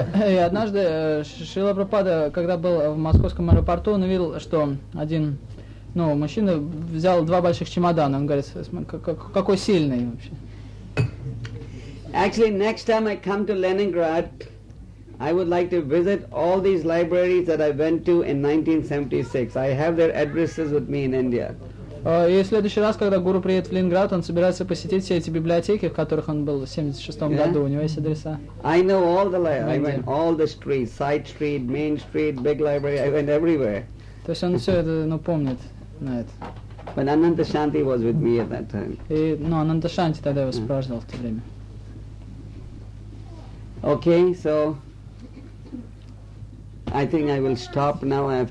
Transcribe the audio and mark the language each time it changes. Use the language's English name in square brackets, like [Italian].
[Russian] И однажды Шрила Прабхупада, когда был в московском аэропорту, он увидел, что один мужчина взял два больших чемодана. Он говорит, какой сильный вообще. [English] Actually, next time I come to Leningrad, I would like to visit all these libraries that I went to in 1976. I have their addresses with me in India. [Russian] И в следующий раз, когда гуру приедет в Ленинград, он собирается посетить все эти библиотеки, в которых он был в 76 году. У него есть адреса. [English] I know all the libraries. I went all the streets, side street, main street, big library. I went everywhere. [Russian] То есть он все это помнит, знает. [English] But Ananta Shanti was with me at that time. [Russian] И Ананта Шанти тогда его сопровождал в то время. [English] Okay, so I think I will stop now.